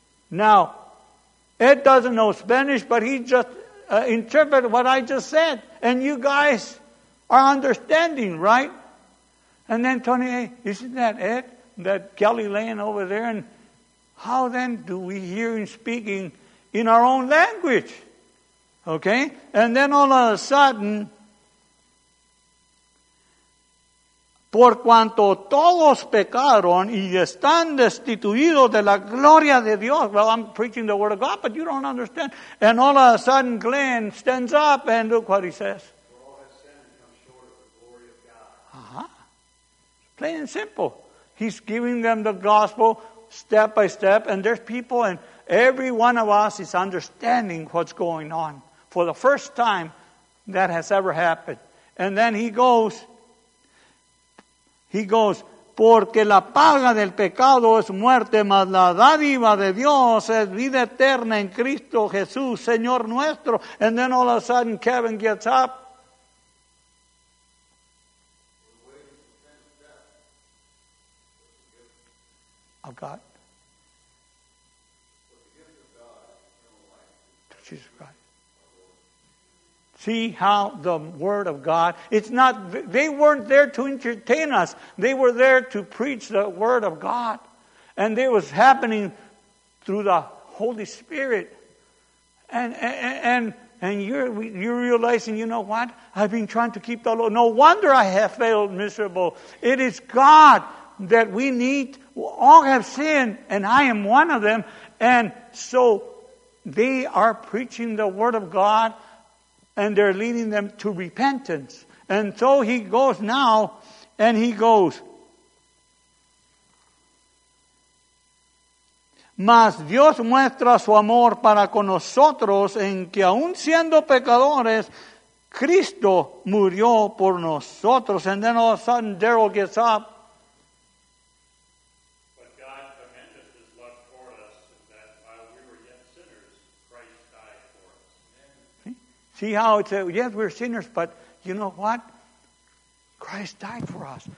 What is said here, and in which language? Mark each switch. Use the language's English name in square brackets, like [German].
[English] Now, Ed doesn't know Spanish, but he just interpreted what I just said. And you guys are understanding, right? And then Tony, hey, isn't that Ed? That Galilean over there? And how then do we hear him speaking in our own language? Okay? And then all of a sudden, [Spanish] por cuanto todos pecaron y están destituidos de la gloria de Dios. [English] Well, I'm preaching the word of God, but you don't understand. And all of a sudden, Glenn stands up and look what he says. "For all have sinned and come short of the glory of God." Uh-huh. Plain and simple. He's giving them the gospel step by step, and there's people, and every one of us is understanding what's going on for the first time that has ever happened. And then he goes, [Spanish] "Porque la paga del pecado es muerte, mas la dádiva de Dios es vida eterna en Cristo Jesús, Señor nuestro." [English] And then all of a sudden Kevin gets up. Of God. Jesus Christ. See how the Word of God, it's not, they weren't there to entertain us. They were there to preach the Word of God. And it was happening through the Holy Spirit. And you're realizing, you know what? I've been trying to keep the law. No wonder I have failed miserable. It is God that we need. We all have sinned, and I am one of them. And so they are preaching the Word of God, and they're leading them to repentance. And so he goes [Spanish] now, and he goes, Mas Dios muestra su amor para con nosotros en que aun siendo pecadores, Cristo murió por nosotros. [English] And then all of a sudden, Daryl gets up. But God commendeth his love toward us that while we were yet sinners, Christ died for us. See how it's, yes, we're sinners, but you know what? Christ died for us.